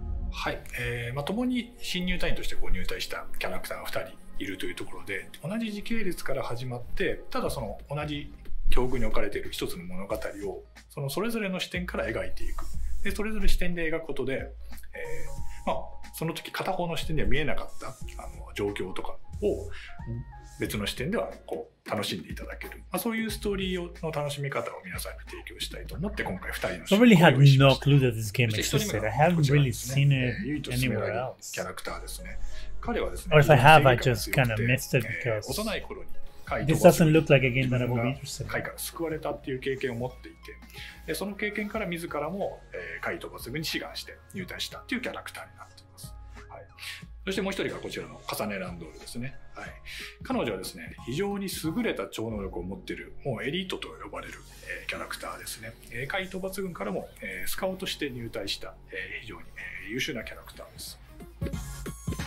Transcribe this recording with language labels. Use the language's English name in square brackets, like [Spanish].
[Japanese] はい、まあ、共に新入隊員としてこう入隊したキャラクターが2人いるというところで、同じ時系列から始まって、ただその同じ境遇に置かれている一つの物語を そのそれぞれの視点から描いていく、でそれぞれ視点で描くことで、まあ、その時片方の視点では見えなかったあの状況とかを別の視点ではこう楽しんでいただける、まあ、そういうストーリーの楽しみ方を皆さんに提供したいと思って今回2人の視点を用意しました。 [English] I really had no clue that this game existed. I haven't really seen it anywhere else. [Japanese] キャラクターですね。彼はですね、 [English] Or if I have, I just kind of missed it because [Japanese] 幼い頃に [English] This doesn't look like a game that I would be interested in. [Japanese] 海から救われたっていう経験を持っていて、でその経験から自らも、海とバスグに志願して入隊したっていうキャラクターになっています、はい、そしてもう一人がこちらのカサネランドールですね、はい、彼女はですね非常に優れた超能力を持っているもうエリートと呼ばれる、キャラクターですね、海とバスグからも、スカウトして入隊した、非常に、優秀なキャラクターです。